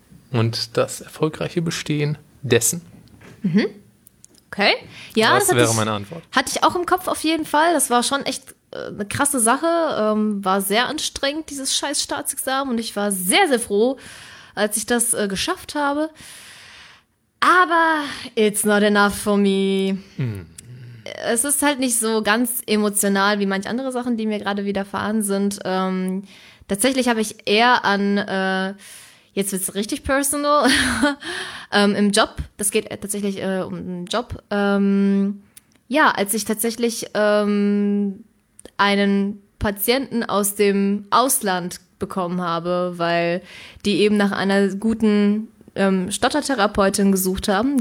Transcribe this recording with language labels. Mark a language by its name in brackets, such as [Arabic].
[German] Und das erfolgreiche Bestehen dessen. Mhm. Okay. Ja, das wäre meine Antwort. Hatte ich auch im Kopf auf jeden Fall. Das war schon echt eine krasse Sache, war sehr anstrengend, dieses scheiß Staatsexamen und ich war sehr, sehr froh, als ich das geschafft habe. Aber [English] it's not enough for me. Hm. [German] Es ist halt nicht so ganz emotional wie manche andere Sachen, die mir gerade widerfahren sind. Tatsächlich habe ich eher an, jetzt wird es richtig personal, im Job, das geht tatsächlich um den Job, ja, als ich tatsächlich einen Patienten aus dem Ausland bekommen habe, weil die eben nach einer guten Stottertherapeutin gesucht haben.